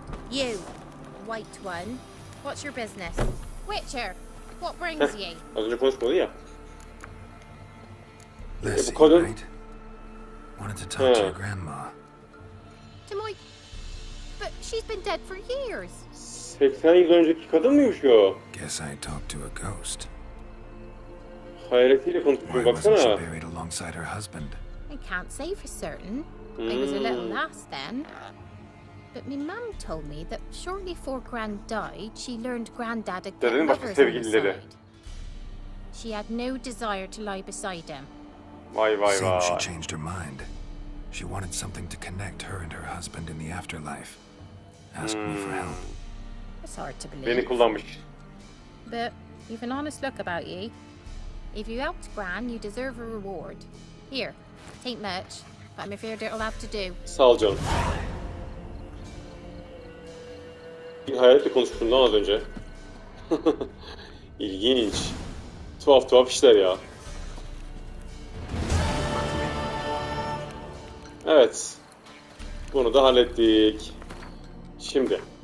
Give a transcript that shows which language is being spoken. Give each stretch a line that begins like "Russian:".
English: You, white one, what's your business? Witcher, what brings you?
Turkish: Az önce konuşmadı ya. Lassie, kadın... right?
English: Wanted to talk to your grandma. To my... But she's been dead for years.
Turkish: 80 yıl önceki kadın mıymış o?
English: Guess I talked to a ghost.
Turkish: Hayretiyle konuşmuşum, baksana.
English: Why wasn't she buried alongside her husband? I can't say for certain. I was a little lass then. But my mum told me that shortly before Gran died, she learned Grandad had kept lovers on the side. She had no desire to lie beside him.
Turkish: Vay vay vay.
English: Seems she changed her mind. She wanted something to connect her and her husband in the afterlife. Asked me for help. It's hard to believe.
Turkish: Beni kullanmış.
English: But you've an honest look about you. If you helped Gran, you deserve a reward. Here. Ain't much, but I'm afraid it'll have to do.
Turkish: Sağ ol canım. Bir hayalde konuştum lan az önce. İlginç. Tuhaf tuhaf işler ya. Evet. Bunu da hallettik. Şimdi.